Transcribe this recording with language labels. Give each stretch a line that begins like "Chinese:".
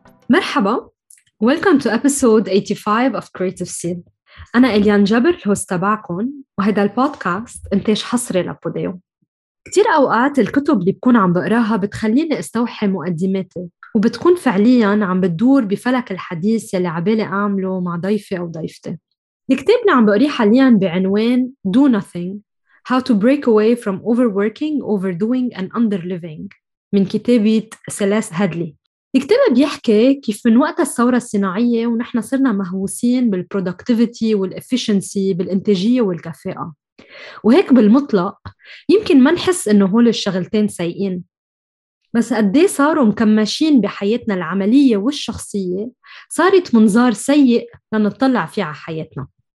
Arabic: مرحبا،
English: Welcome to episode 85 of Creative Seed.
Arabic: أنا إليان جبر، الهوست تبعكم، وهذا البودكاست إنتاج حصري لبوديو. كتير أوقات الكتب اللي بكون عم بقراها بتخليني استوحي مقدماتي وبتكون فعلياً عم بتدور بفلك الحديث اللي عبالي أعمله مع ضيفي أو ضيفتي. الكتاب اللي عم بقريه حالياً بعنوان Do Nothing How to Break Away from Overworking, Overdoing and Underliving من كتابة سيليس هادلي. الكتاب بيحكي كيف من وقت الثورة الصناعية ونحن صرنا مهووسين بالبرودكتيفيتي والإفيشنسي بالإنتاجية والكفاءة، وهيك بالمطلق يمكن ما نحس إنه هول الشغلتين سيئين، بس قدي صاروا مكمشين بحياتنا العملية والشخصية صارت منظار سيء لنطلع فيه على حياتنا.